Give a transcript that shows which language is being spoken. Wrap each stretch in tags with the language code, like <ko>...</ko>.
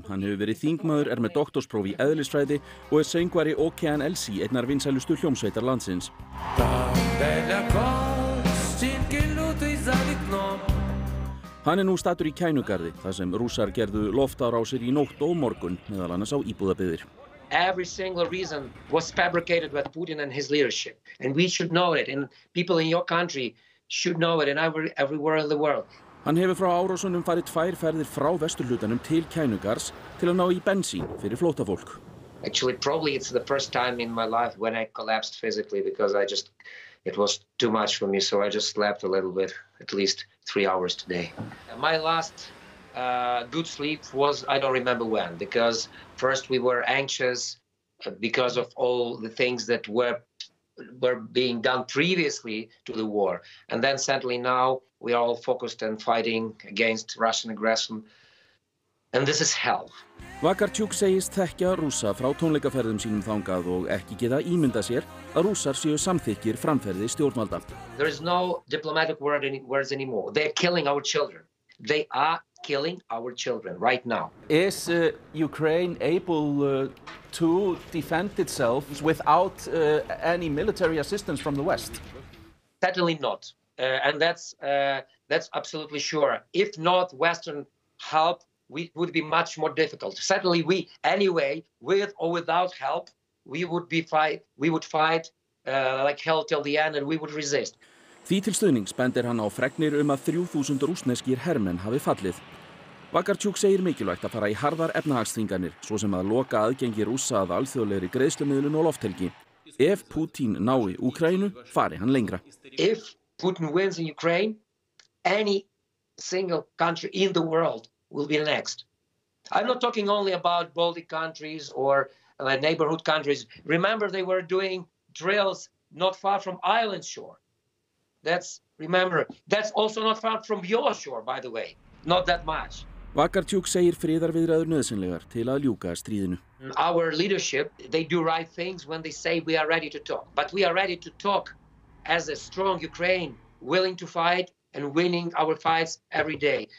<is>Hann hefur verið þingmaður, með doktorspróf í eðlisfræði og söngvari OKNLC, einnar vinsælustu hljómsveitar landsins. Hann nú staddur í Kænugarði, þar sem rússar gerðu loftárásir í nótt og morgun, meðal annars á íbúðabyggðir.</is> <en>Every single reason was fabricated by Putin and his leadership, and we should know it, and people in your country should know it, and everywhere in the world.</en> <is>Hann hefur frá árásunum farið tvær ferðir frá vesturhlutanum til Kænugarðs til að ná í bensín fyrir flóttafólk.</is> <en>Actually, probably it's the first time in my life when I collapsed physically, because it was too much for me, so I just slept a little bit, at least 3 hours today. My last good sleep was, I don't remember when, because first we were anxious because of all the things that were being done previously to the war. And then suddenly now we are all focused on fighting against Russian aggression. And this is hell.</en> <is>Vakarchuk segist þekkja Rússa frá tónleikaferðum sínum þangað og ekki geta ímynda sér að Rússar séu samþykkir framferði stjórnvalda.</is> <en>There is no diplomatic words anymore. They are killing our children. They are killing our children right now. Is Ukraine able to defend itself without any military assistance from the West? Certainly not. And that's absolutely sure. If not Western help, it would be much more difficult. Certainly we, anyway, with or without help, we would fight like hell till the end, and we would resist.</en> <is>Því til stuðnings bendir hann á fregnir að 3000 rússneskir hermenn hafi fallið. Vakarchuk segir mikilvægt að fara í harðar efnahagsþvinganir, svo sem að loka aðgengi rússa að alþjóðlegri greiðslumiðlun og lofthelgi. Ef Putin nái Ukraínu, fari hann lengra.</is> <en>If Putin wins in Ukraine, any single country in the world will be next. I'm not talking only about Baltic countries or neighborhood countries. Remember, they were doing drills not far from Ireland's shore. That's also not far from your shore, by the way. Not that much.</en> <is>Vakarchuk segir friðarviðræður nauðsynlegar til að ljúka stríðinu.</is> <en>Our leadership, they do right things when they say we are ready to talk. But we are ready to talk as a strong Ukraine, willing to fight and winning our fights every day.</en>